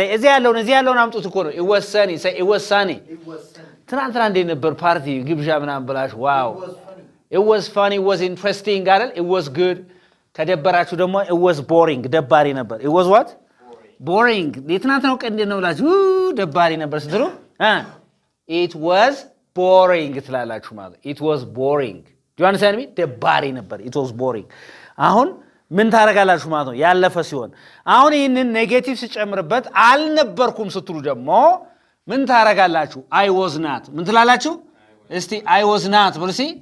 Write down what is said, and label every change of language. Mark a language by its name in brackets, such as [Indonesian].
[Amharic] እዚያ ያለውን አምጡት እኮ ነው [English] it was sunny [Amharic] ትናንትና እንዴት ነበር ፓርቲ ግብዣ ምናምን ብላሽ ዋው [English] it was funny it was interesting አይደል it was good ከደበራችሁ ደግሞ it was boring [Amharic] ደባሪ ነበር [English] it was what boring [Amharic] ትናንትናው ቀን እንዴት ነው ብላችሁ ደባሪ ነበር ስትሉ it was boring ትላላችሁ ማለት [English] it was boring do you understand me [Amharic] ደባሪ ነበር it was boring አሁን ምን ታረጋላችሁ ማለት ነው ያለፈ ሲሆን አሁን ይሄንን ኔጌቲቭ ሲጨምርበት አልነበርኩም ስትሉ ደግሞ ምን ታረጋላችሁ [English] አይ ዋዝ ናት [Amharic] ምን ትላላችሁ እስቲ አይ ዋዝ ናት ብሉሲ